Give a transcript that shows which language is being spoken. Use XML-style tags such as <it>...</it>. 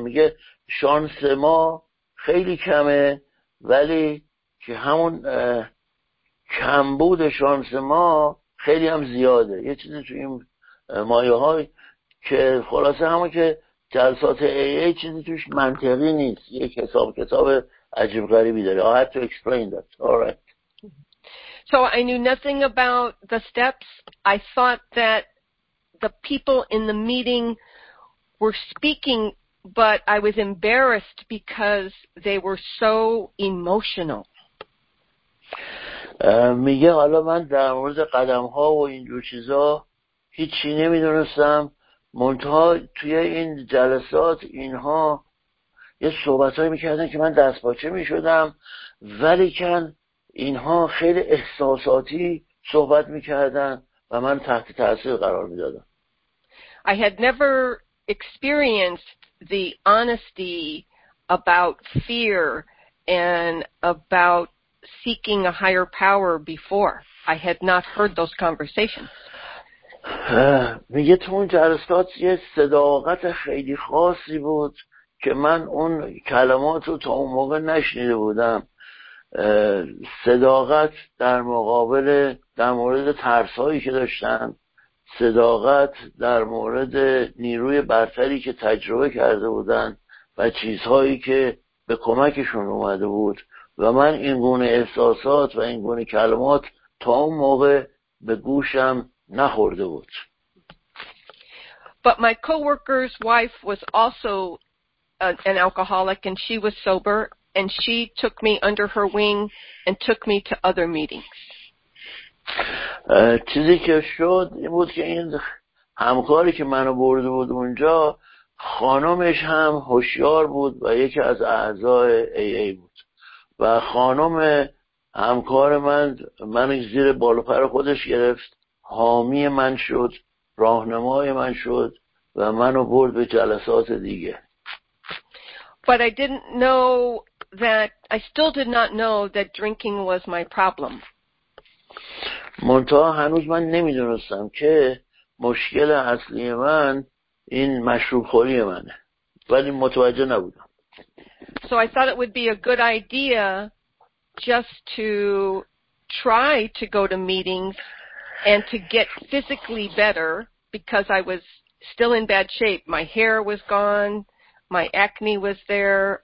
<fa>میگه شانس ما خیلی کمه، ولی که همون کمبود شانس ما خیلی هم زیاده. یه چیزی توی این مایه های که خلاصه همون که جلسات AA چیزی توش منطقی نیست، یک حساب کتاب عجیب غریبی داره.</fa> <en>I had to explain that. All right. So I knew nothing about the steps. I thought that the people in the meeting were speaking, but I was embarrassed because they were so emotional.</en> <fa>میگه حالا من در مورد قدم ها و اینجور چیزا هیچی نمیدونستم، منتها توی این جلسات اینها یه صحبتایی میکردن که من دستپاچه میشدم، ولیکن اینها خیلی احساساتی صحبت میکردن و من تحت تاثیر قرار میدادم.</fa> <en>I had never experienced the honesty about fear and about seeking a higher power before. I had not heard those conversations.</en> <fa>میگه تو اون جلسات یه صداقت خیلی خاصی بود که من اون کلمات رو تا اون موقع نشنیده بودم. صداقت در مقابل در مورد ترسایی که داشتن، صداقت در مورد نیروی برتری که تجربه کرده بودن و چیزهایی که به کمکشون اومده بود، و من این گونه احساسات و این گونه کلمات تا اون موقع به گوشم نخورده بود.</fa> <en>But my coworker's wife was also an alcoholic and she was sober, and she took me under her wing and took me to other meetings.</en> <fa>چیزی که شد این بود که این همکاری که منو برده بود اونجا خانمش هم هوشیار بود و یکی از اعضای AA بود و خانم همکار من زیر بال و پر خودش گرفت، حامی من شد، راهنمای من شد و منو برد به جلسات دیگه.</fa> <en>But I didn't know that, I still did not know that drinking was my problem.</en> <fa>منتها هنوز من نمیدونستم که مشکل اصلی من این مشروب خوری منه، ولی متوجه نبودم.</fa> <en>So I thought it would be a good idea just to try to go to meetings and to get physically better because I was still in bad shape. My hair was gone. My acne was there.</en>